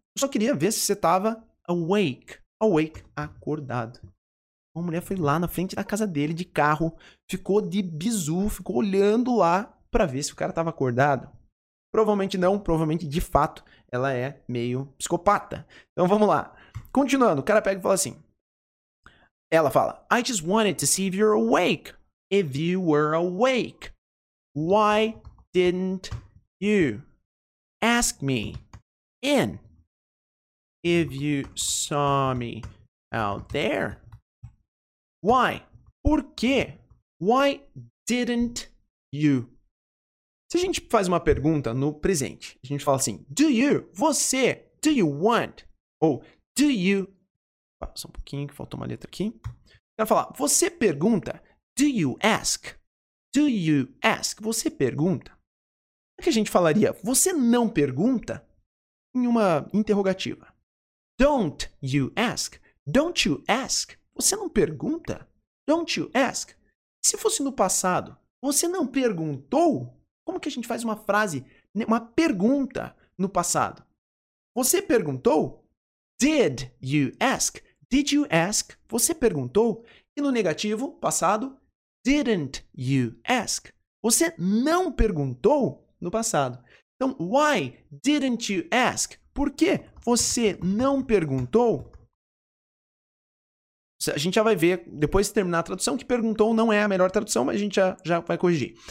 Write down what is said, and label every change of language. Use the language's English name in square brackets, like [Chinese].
[Portuguese] Eu só queria ver se você estava awake. Awake. Acordado. Uma mulher foi lá na frente da casa dele, de carro. Ficou de bizu. Ficou olhando lá pra ver se o cara estava acordado. Provavelmente não. Provavelmente, de fato, ela é meio psicopata. Então, vamos lá. Continuando. O cara pega e fala assim... Ela fala, [English] I just wanted to see if you're awake. If you were awake, why didn't you ask me in? If you saw me out there, why? [Portuguese] Por quê? [English] Why didn't you? [Portuguese] Se a gente faz uma pergunta no presente, a gente fala assim, do you, você, [English] do you want? [Portuguese] Ou, do you? Só um pouquinho, que faltou uma letra aqui. Quero falar, você pergunta, [English] do you ask? Do you ask? [Portuguese] Você pergunta. O que a gente falaria? Você não pergunta? Em uma interrogativa. [English] Don't you ask? Don't you ask? [Portuguese] Você não pergunta? [English] Don't you ask? [Portuguese] Se fosse no passado, você não perguntou? Como que a gente faz uma frase, uma pergunta no passado? Você perguntou? [English] Did you ask? Did you ask? Você perguntou? [Portuguese] E no negativo, passado, [English] didn't you ask? [Portuguese] Você não perguntou no passado. Então, [English] why didn't you ask? [Portuguese] Por que você não perguntou? A gente já vai ver, depois de terminar a tradução, que perguntou não é a melhor tradução, mas a gente já vai corrigir.